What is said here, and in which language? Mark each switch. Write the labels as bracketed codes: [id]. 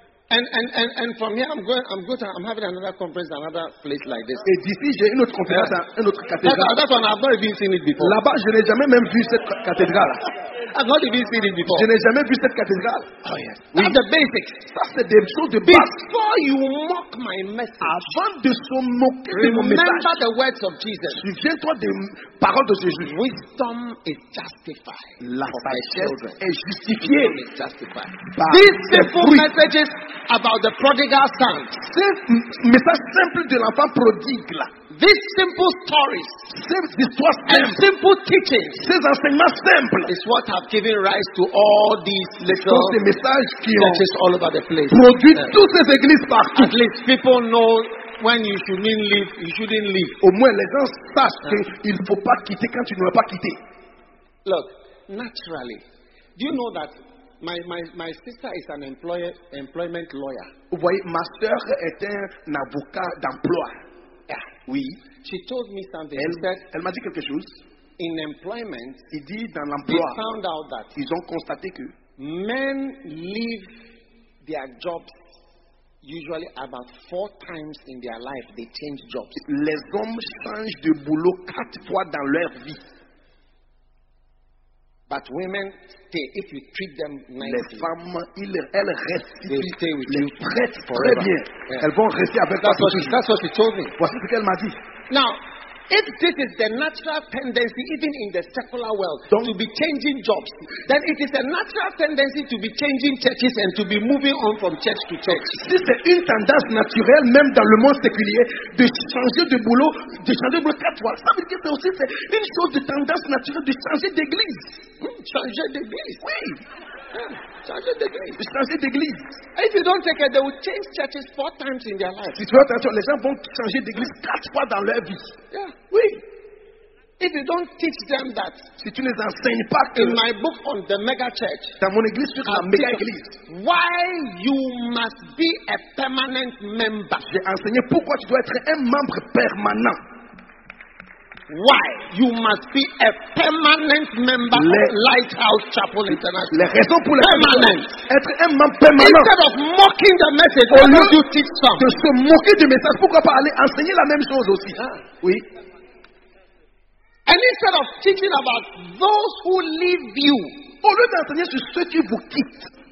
[en] And from here I'm having another conference at another place like this. [fr] Et d'ici j'ai une autre conférence à une autre cathédrale. [en] That's one I've not even seen it before. [fr] Là-bas je n'ai jamais même vu cette cathédrale. [en] I've not even seen it before. [fr] Je n'ai jamais vu cette cathédrale. [en] Oh yes. That's the basics. [fr] Ça c'est des choses de [en] base. Before you mock my message, [fr] avant de se moquer de mon message, [en] remember the words of Jesus. [fr] Souviens-toi des paroles de Jésus. [en] Wisdom is justified. [fr] La sagesse est justifiée. [en] Wisdom is justified. These simple messages about the prodigal son. [fr] Message simple de l'enfant prodigue là. [en] These simple stories, [fr] ces histoires simples, [en] and simple teachings, [fr] ces enseignements simples, [en] is what have given rise to all these little [fr] messages qui ont [en] all over the place. [fr] Produit toutes ces églises partout. [en] At least people know when you shouldn't leave, you shouldn't leave. [fr] Au moins les gens sachent qu'il ne faut pas quitter quand tu ne vas pas quitter. [en] Look, naturally, do you know that my sister is an employment lawyer. [fr] Vous voyez, ma sœur est un avocat d'emploi. [en] Yeah. [fr] Oui. [en] She told me something. [fr] Elle m'a dit quelque chose. [en] In employment, [fr] il dit dans l'emploi, [en] they found out that [fr] ils ont constaté que [en] men leave their jobs usually about 4 times in their life. They change jobs. [fr] Les hommes changent de boulot 4 fois dans leur vie. [en] But women stay if you treat them nicely. [fr] Les femmes, elles restent. [en] They stay with [fr] les [en] you [fr] prêtes forever. Très bien. Yeah. Elles vont rester avec [en] toi. That's what she told me. [fr] Voici ce qu'elle m'a dit. [en] Now, If this is the natural tendency, even in the secular world, donc, to be changing jobs, then it is a natural tendency to be changing churches and to be moving on from church to church. [fr] Si c'est une tendance naturelle, même dans le monde séculier, de changer de boulot, de changer de boulot quatre fois, ça veut dire que aussi c'est une chose de tendance naturelle de changer d'église. Changer d'église. Oui. Changer d'église. [en] If you don't take it, they will change churches four times in their life. [fr] Si tu fais attention, les gens vont changer d'église quatre fois dans leur vie. [en] Yeah. [fr] Oui. [en] If you don't teach them that, [fr] si tu ne les enseignes pas que [en] in my book on the mega church, [fr] dans mon église sur la méga église, [en] why you must be a permanent member. [fr] J'ai enseigné pourquoi tu dois être un membre permanent. [en] Why you must be a permanent member of Lighthouse Chapel International. [fr] Les raisons pour lesquelles permanent. Être un membre permanent. [en] Instead of mocking the message, why don't you teach some? [fr] De se moquer du message, pourquoi pas aller enseigner la même chose aussi? Ah. Oui. [en] And instead of teaching about those who leave you, [fr] au lieu d'enseigner sur ceux qui vous quittent.